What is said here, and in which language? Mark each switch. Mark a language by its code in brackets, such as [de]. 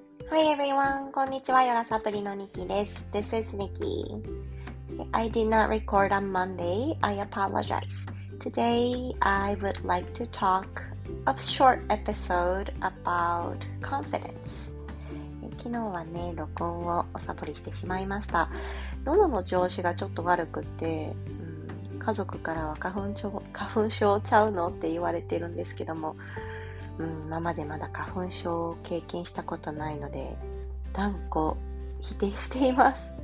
[en] Hi everyone, [ja] こんにちは。ヨガサプリのニキです。 [en] This is Nikki. I did not record on Monday. I apologize. Today, I would like to talk a short episode about confidence. [ja] 昨日はね、録音をおサプリしてしまいました。喉の調子がちょっと悪くて、家族からは花粉症ちゃうのって言われてるんですけども、今までまだ花粉症を経験したことないので断固否定しています。